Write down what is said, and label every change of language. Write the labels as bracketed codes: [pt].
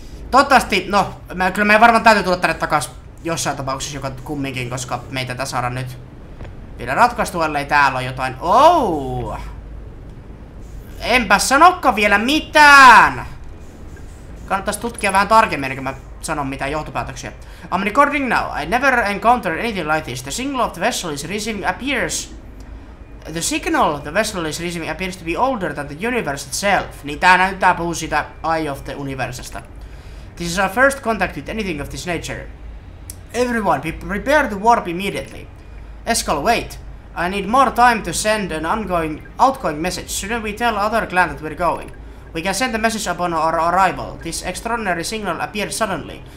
[fi] Toivottavasti, no, kyllä meidän varmaan täytyy tulla tänne takas jossain tapauksessa joka kumminkin, koska meitä tässä saada nyt vielä ratkaistua, ellei täällä on jotain. Oh! Enpä sanokka vielä mitään! Kannattaisi tutkia vähän tarkemmin, kun mä sanon mitään johtopäätöksiä. [en] I'm recording now. I never encountered anything like this. The signal of the vessel is receiving appears... The signal the vessel is receiving appears to be older than the universe itself. [fi] Niin tää näyttää puhuu siitä Eye of the Universesta. [en] This is our first contact with anything of this nature. Everyone, be prepare to warp immediately. Eskal, wait. I need more time to send an ongoing, outgoing message. Shouldn't we tell other clan that we're going? We can send the message upon our arrival. This extraordinary signal appeared suddenly.